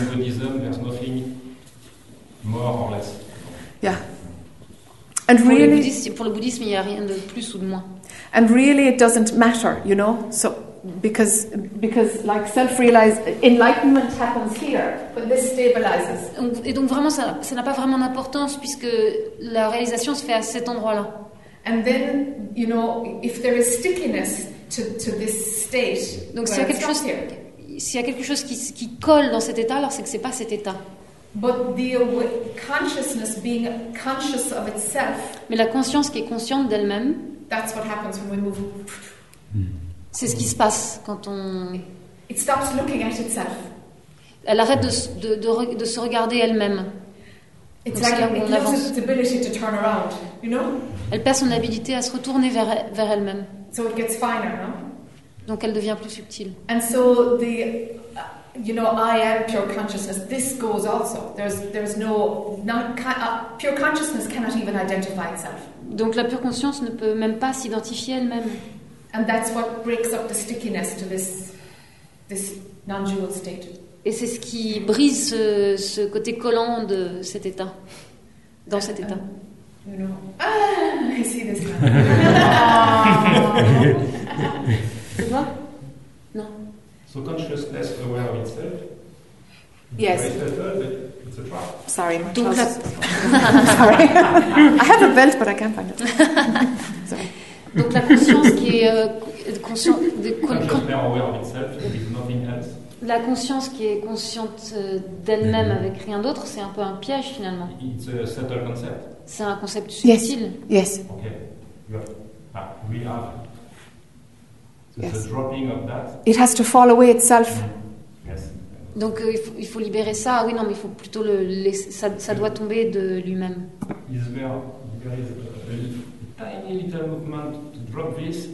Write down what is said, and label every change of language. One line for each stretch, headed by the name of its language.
English: In Buddhism, there's nothing more or less. Yeah. And really, for the Buddhism,
French: il y a rien de plus ou de moins.
English: And really, it doesn't matter, you know. So because like self-realized enlightenment happens here when this stabilizes.
French: Et donc vraiment, ça n'a pas vraiment d'importance puisque la réalisation se fait à cet endroit-là.
English: And then, you know, if there is stickiness to this state,
French: donc s'il y a quelque chose, s'il y a quelque chose qui colle dans cet état, alors c'est que c'est pas cet état.
English: But the consciousness being conscious of itself.
French: Mais la conscience qui est consciente d'elle-même.
English: That's what happens when we move.
French: C'est ce qui se passe quand on.
English: It stops looking at itself.
French: Elle arrête de se regarder elle-même.
English: It's like it loses its ability to turn around, you know?
French: Elle perd son habilité à se retourner vers elle-même.
English: So it gets finer, no?
French: Donc elle devient plus subtile.
English: And so the, you know, I am pure consciousness. This goes also. There's no not pure consciousness cannot even identify itself.
French: Donc la pure conscience ne peut même pas s'identifier elle-même.
English: And that's what breaks up the stickiness to this non-dual state.
French: Et c'est ce qui brise ce côté collant de cet état, dans cet état.
English: Ah, I see this.
French: C'est toi? Non.
English: So consciousness aware of itself. Yes. It's a trap. Sorry, my trousers. I'm sorry. I have a belt, but I can't find it. Sorry.
French: Donc la conscience qui est consciente de
English: consciousness aware of itself is nothing else.
French: La conscience qui est consciente d'elle-même avec rien d'autre, c'est un peu un piège finalement.
English: It's a subtle concept.
French: C'est un concept subtil.
English: Yes. Yes. Okay. We have. So yes. The dropping of that. It has to fall away itself. Yes.
French: Donc il faut libérer ça. Ah, oui, non, mais il faut plutôt le laisser. Ça doit tomber de lui-même.
English: Is there a tiny little movement to drop this?